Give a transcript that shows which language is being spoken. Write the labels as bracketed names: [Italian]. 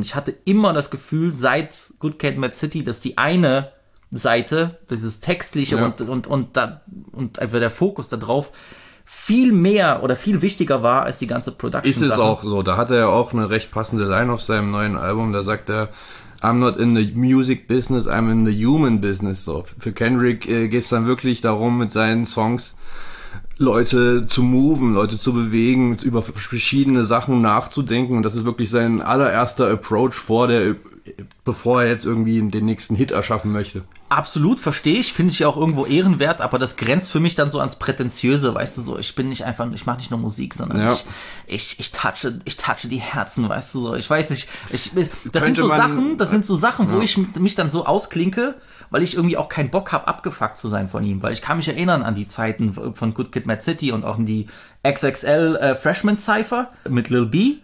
[German] Und ich hatte immer das Gefühl, seit Good Kid, Mad City, dass die eine Seite, dieses Textliche und einfach der Fokus da drauf, viel mehr oder viel wichtiger war als die ganze Production. Ist es auch so. Da hat er ja auch eine recht passende Line auf seinem neuen Album. Da sagt er, [English] I'm not in the music business, I'm in the human business. [German] So, für Kendrick geht es dann wirklich darum, mit seinen Songs Leute zu moven, Leute zu bewegen, über verschiedene Sachen nachzudenken. Und das ist wirklich sein allererster Approach vor der bevor er jetzt irgendwie den nächsten Hit erschaffen möchte. Absolut, verstehe ich, finde ich auch irgendwo ehrenwert, aber das grenzt für mich dann so ans Prätentiöse, weißt du, so, ich bin nicht einfach, ich mache nicht nur Musik, sondern ich touche die Herzen, weißt du, so, ich weiß nicht, das sind so Sachen, wo ich mich dann so ausklinke, weil ich irgendwie auch keinen Bock habe, abgefuckt zu sein von ihm, weil ich kann mich erinnern an die Zeiten von Good Kid, Mad City und auch an die XXL Freshman Cypher mit Lil B.